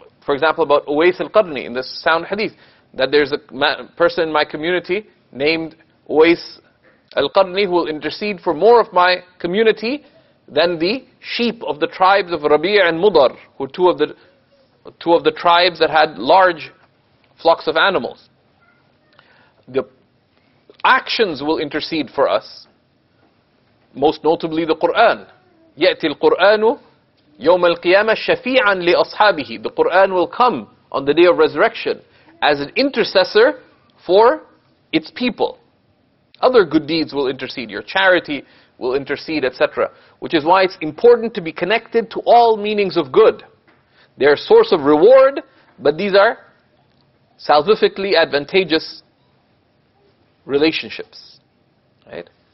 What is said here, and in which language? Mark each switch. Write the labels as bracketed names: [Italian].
[English] For example, about Uwais al-Qarni in this sound hadith, that there's a person in my community named Uwais al-Qarni who will intercede for more of my community than the sheep of the tribes of Rabi' and Mudar, who are two of the two of the tribes that had large flocks of animals. The actions will intercede for us, most notably the Quran. [Arabic] يأتي القرآن يوم القيامة شفيعا لأصحابه. [English] The Quran will come on the day of resurrection as an intercessor for its people. Other good deeds will intercede, your charity will intercede, etc. Which is why it's important to be connected to all meanings of good. They are a source of reward, but these are salvifically advantageous relationships. Right?